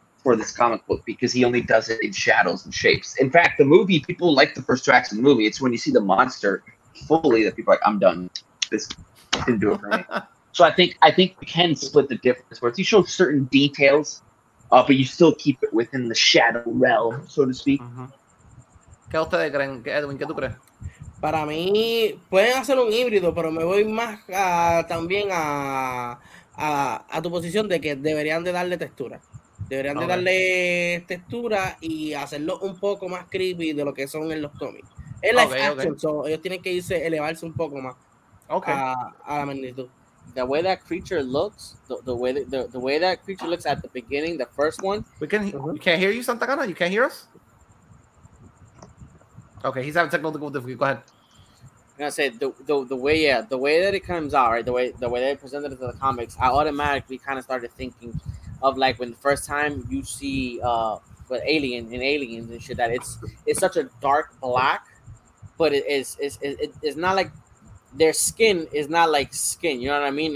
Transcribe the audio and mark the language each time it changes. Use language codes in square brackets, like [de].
[en] for this comic book because he only does it in shadows and shapes. In fact, the movie, people like the first tracks of the movie. It's when you see the monster fully that people are like, I'm done. This didn't do it for me. So I think we can split the difference where he shows certain details, but you still keep it within the shadow realm, so to speak. [es] ¿Qué ustedes creen, Edwin? ¿Qué tú crees? Para mí, pueden hacer un híbrido, pero me voy más también a tu posición de que deberían de darle textura. Deberían de darle textura y hacerlo un poco más creepy de lo que son en los cómics. Es live action, so ellos tienen que irse, elevarse un poco más a la magnitud. [en] The way that creature looks, the way that creature looks at the beginning, the first one. You can't hear you, Santa Cana? You can't hear us? Okay, he's having technical difficulty. Go ahead. I'm gonna say the way that it comes out, right? The way that it presented it to the comics, I automatically kind of started thinking of like when the first time you see alien in Aliens and shit, that it's such a dark black, but it's not like their skin is not like skin. You know what I mean?